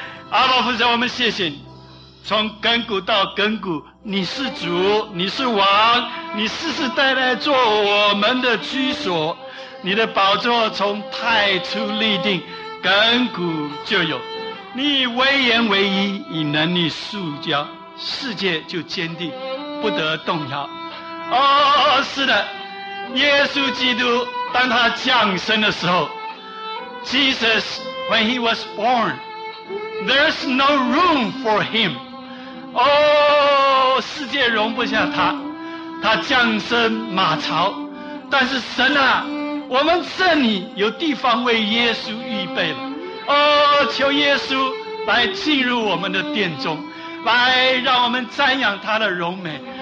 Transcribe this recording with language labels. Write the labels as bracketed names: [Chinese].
[Chinese] 阿爸父神，我们谢谢你，从亘古到亘古，你是主，你是王，你世世代代做我们的居所，你的宝座从太初立定，亘古就有，你以威严为一，以能力塑胶，世界就坚定，不得动摇。哦，是的，耶稣基督当他降生的时候， [English] Jesus when he was born， there's no room for him。 [Chinese] 哦，世界容不下他，他降生马槽，但是神啊，我们这里有地方为耶稣预备了。哦，求耶稣来进入我们的殿中，来让我们瞻仰他的荣美。